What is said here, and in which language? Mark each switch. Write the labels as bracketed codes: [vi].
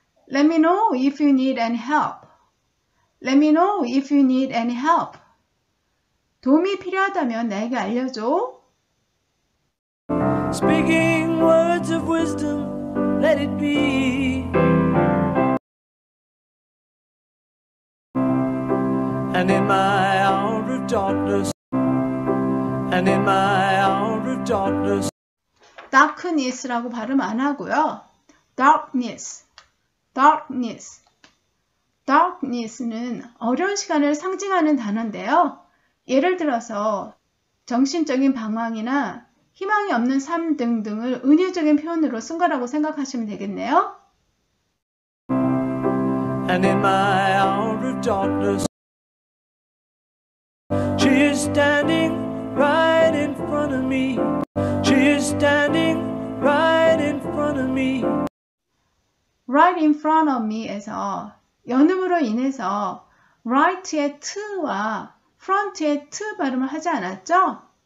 [en] Let me know if you need any help. Let me know if you need any help. [ko] 도움이 필요하다면 나에게 알려줘. [en] Speaking words of wisdom, let it be. And in my hour of darkness. And in my hour of darkness. [ko] Darkness라고 발음 안 하고요. [en] Darkness. Darkness. [ko] Darkness는 어려운 시간을 상징하는 단어인데요. 예를 들어서 정신적인 방황이나 희망이 없는 삶 등등을 은유적인 표현으로 쓴 거라고 생각하시면 되겠네요. [en] And in my hour of darkness She is standing right in front of me She is standing right in front of me Right in front of me [ko] 에서 연음으로 인해서 right의 t와 front의 t 발음을 하지 않았죠?